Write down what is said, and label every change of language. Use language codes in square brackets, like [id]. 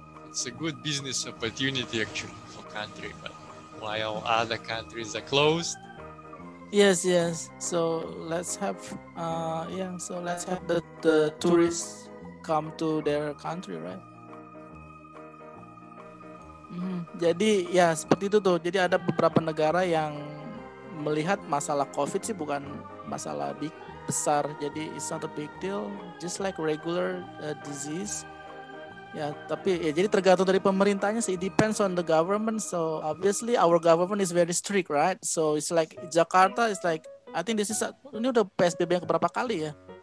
[en] It's a good business opportunity actually for country, but while other countries are closed. Yes. So let's have the tourists come to their country, right? [id] Jadi ya seperti itu tuh. Jadi ada beberapa negara yang melihat masalah COVID sih bukan masalah besar. Jadi [en] it's not a big deal, just like regular disease. [id] Ya, tapi ya jadi tergantung dari pemerintahnya sih. [en] It depends on the government. So obviously our government is very strict, right? So it's like Jakarta is like, I think this is [id] ini udah PSBB yang keberapa kali ya?